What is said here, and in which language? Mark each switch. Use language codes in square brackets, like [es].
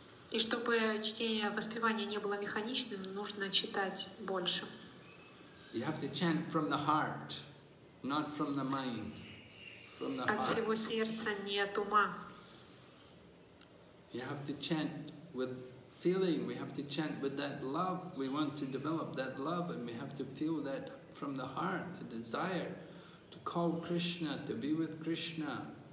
[ru] И чтобы чтение, воспевание не было механичным, нужно читать больше. [en] You have to chant from the heart, not from the mind. From the heart. [ru] От всего сердца, не от ума. [en] We have to chant with feeling, we have to chant with that love. We want to develop that love, and we have to feel that from the heart, the desire to call Krishna, to be with Krishna.